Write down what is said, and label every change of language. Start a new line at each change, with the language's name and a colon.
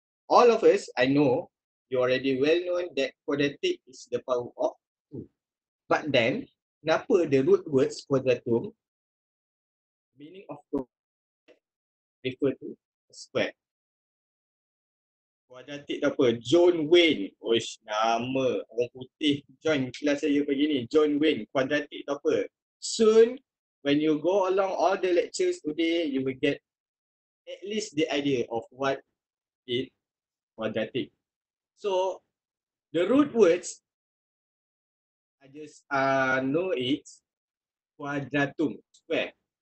English: All of us, I know, you already well known that quadratic is the power of two. But then,
Malay: kenapa
English: the root words quadratum, meaning of quadratum, refer to square?
Malay: Quadratic apa? John Wayne. Oish, nama orang putih join kelas saya pagi ni. John Wayne. Quadratic apa?
English: Soon, when you go along all the lectures today, you will get at least the idea of what is quadratic. So, the root words, I just know it, quadratum, square.